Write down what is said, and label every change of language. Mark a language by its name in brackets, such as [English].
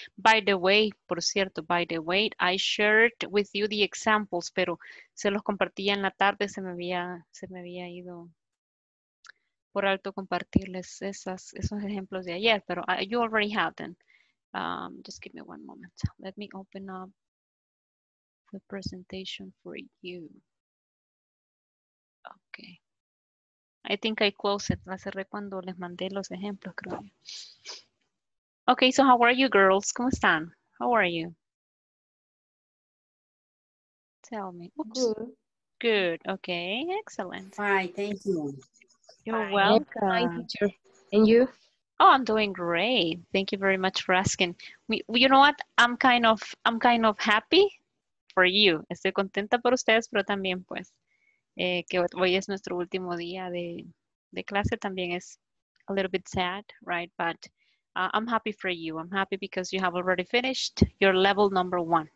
[English] By the way, [Spanish] por cierto, [English] by the way, I shared with you the examples, [Spanish] pero se los compartía en la tarde, se me había ido por alto compartirles esos ejemplos de ayer, [English] pero you already have them. Just give me one moment. Let me open up the presentation for you. Okay. I think I closed it. [Spanish] La cerré cuando les mandé los ejemplos, creo. [English] Okay, so how are you girls? [Spanish] ¿Cómo están? [English] How are you? Tell me. Oops. Good. Good. Okay, excellent. Fine, thank you. You're welcome. Hi, teacher. And you? Oh, I'm doing great. Thank you very much for asking. You know what? I'm kind of happy for you. [Spanish] Estoy contenta por ustedes, pero también pues que hoy es nuestro último día de clase también es [English] a little bit sad, right? But I'm happy for you. I'm happy because you have already finished your level number one.